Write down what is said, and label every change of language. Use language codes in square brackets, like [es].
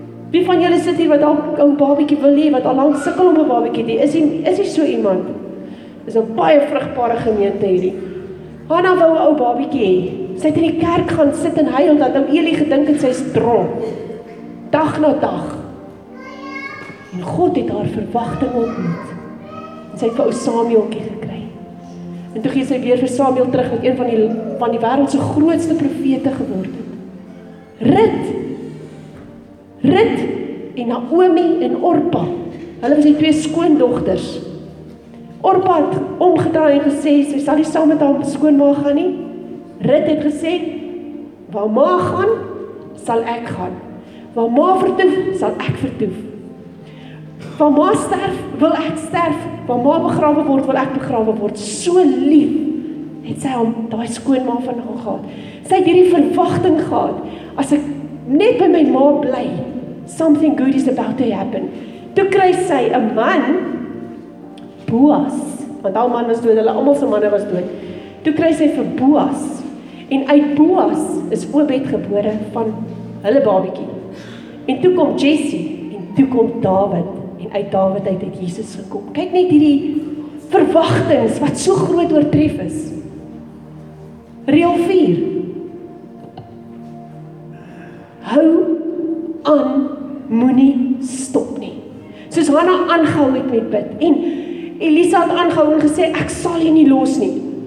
[af] Wie van julle sit hier wat al 'n ou babietjie wil hê, wat al lank sukkel om 'n babietjie te hê? Is hy so iemand? Is 'n baie vrugbare gemeente hierdie. Hanna wou 'n ou babietjie hê. Sy het in die kerk gaan sit en huil dat hom Eli gedink het sy is dronk. Dag na dag. En God het haar verwagting ontmoet. En sy het vir ou Samueltjie gekry. En toe gee sy weer vir Samuel terug wat een van die wêreld se grootste profete geword het. Rut en Naomi en Orpa. Hulle was die twee skoondogters. Orpa het omgedraai en gesê, sy sal nie saam met haar skoonma gaan nie. Rut het gesê, waar ma gaan, sal ek gaan. Waar ma vertoef, sal ek vertoef. Waar ma sterf, wil ek sterf. Waar ma begrawe word, wil ek begrawe word. So lief het sy hom daai skoonma van haar gehad. Sy het hierdie verwagting gehad. As ek net by my ma bly, [en] something good is about to happen. [af] Toe kry sy 'n man, Boas, want al man was dood, hulle almal se manne was dood. Toe kry sy vir Boas. En uit Boas is Obed gebore van hulle babietjie. En toe kom Jesse en toe kom Dawid en uit Dawid uit het Jesus gekom. Kyk net hierdie verwagtinge wat so groot oortref is. Reël 4. Hou aan, moenie stop nie. Soos Hanna aangehou het met bid en Elisa het aangehou en gesê ek sal jy nie los nie.